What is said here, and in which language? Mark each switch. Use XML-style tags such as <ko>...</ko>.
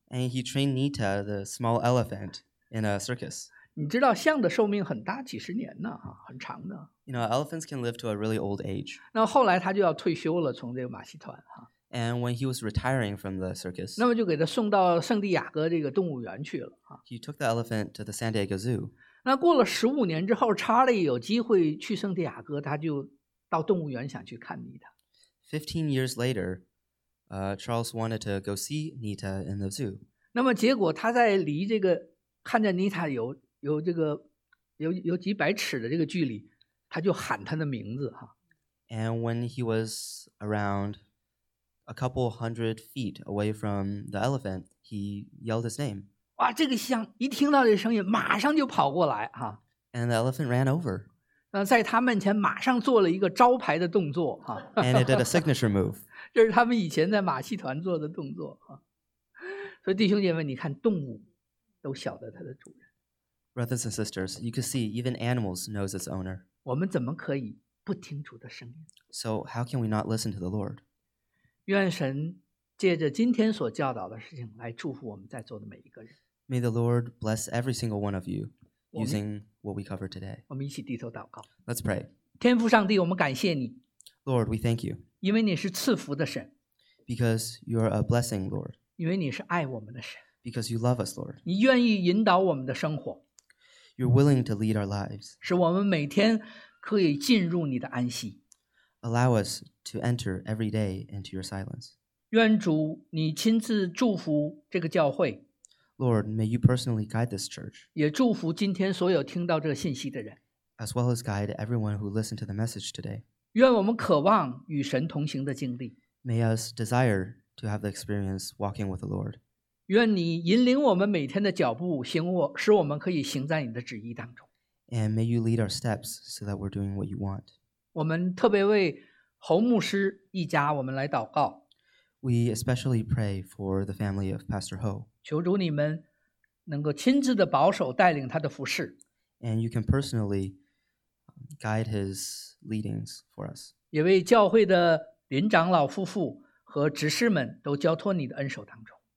<en>And he trained Nita, the small elephant, in a circus.</en> <zh>你知道象的寿命很大，几十年呢，很长的。</zh> <en>You know, elephants can live to a really old age.</en> <zh>那后来他就要退休了，从这个马戏团哈。</zh> <en>And when he was retiring from the circus,</en> <zh>那么就给他送到圣地亚哥这个动物园去了。</zh> <en>He took the elephant to the San Diego Zoo.</en> <zh>那过了十五年之后，查理有机会去圣地亚哥，他就到动物园想去看妮塔。</zh> <en>15 years later, Charles wanted to go see Nita in the zoo.</en> <zh>那么结果他在离这个看着妮塔有这个有几百尺的这个距离，他就喊他的名字哈。</zh> <en>And when he was around a couple hundred feet away from the elephant, he yelled his name.</en> <zh>哇，这个象一听到这声音，马上就跑过来哈。</zh> <en>And the elephant ran over.</en> <zh>在他面前马上做了一个招牌的动作哈。 And it did a signature move. 这是他们以前在马戏团做的动作哈。所以弟兄姐妹，你看动物都晓得它的主人。</zh> <en>Brothers and sisters, you can see even animals knows its owner.</en> <zh>我们怎么可以不听主的声音？</zh> <en>So how can we not listen to the Lord?</en> <zh>愿神借着今天所教导的事情来祝福我们在座的每一个人。</zh> <en>May the Lord bless every single one of you using what we cover today.</en> <zh>我们一起低头祷告。</zh> <en>Let's pray.</en> <zh>天父上帝，我们感谢你。</zh> <en>Lord, we thank you.</en> <zh>因为你是赐福的神。</zh> <en>Because you are a blessing, Lord.</en> <zh>因为你是爱我们的神。</zh> <en>Because you love us, Lord.</en> <zh>你愿意引导我们的生活。</zh> <en>You're willing to lead our lives.</en> <zh>使我们每天可以进入你的安息。</zh> <en>Allow us to enter every day into your silence.</en> <zh>愿主你亲自祝福这个教会。</zh> <en>Lord, may you personally guide this church.</en> <zh>也祝福今天所有听到这个信息的人。</zh> <en>As well as guide everyone who listened to the message today.</en> <zh>愿我们渴望与神同行的经历。</zh> <en>May us desire to have the experience walking with the Lord.</en> <zh>愿你引领我们每天的脚步，使我们可以行在你的旨意当中。</zh> <en>And may you lead our steps so that we're doing what you want.</en> <zh>我们特别为侯牧师一家，我们来祷告。</zh> <en>We especially pray for the family of Pastor Ho.</en> <zh>求主你们能够亲自的保守带领他的服事。</zh> <en>And you can personally guide his leadings for us.</en> <zh>也为教会的林长老夫妇和执事们都交托你的恩手当中。</zh>